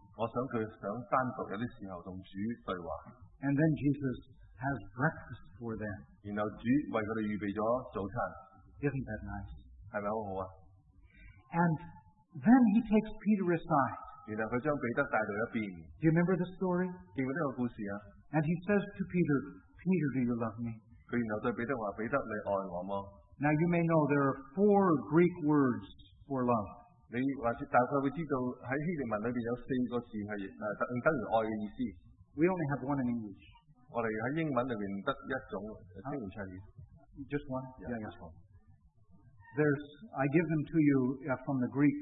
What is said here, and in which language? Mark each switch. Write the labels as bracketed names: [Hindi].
[Cantonese] 我想佢想单独有啲时候同主对话。 [English] And then Jesus has breakfast for them. [Cantonese] 然后主为佢哋预备咗早餐。 [English] Isn't that nice? [Cantonese] 系咪好好啊 [English] ？And then he takes Peter aside. [Cantonese] 然后佢将彼得带到一边。 [English] Do you remember the story? [Cantonese] 记唔记得个故事啊 [English] ？And he says to Peter, "Peter, do you love me?" [Cantonese] 佢然后对彼得话：彼得，你爱我吗 [English] ？Now you may know there are four Greek words for love. [Cantonese] 你或者大概会知道喺希腊文里边有四个字系等于爱嘅意思。 [English] We only have one in English. [Cantonese] 我哋喺英文里边得一种星期七。 [English] Just one. Yeah, yeah. Just one. There's, I give them to you from the Greek.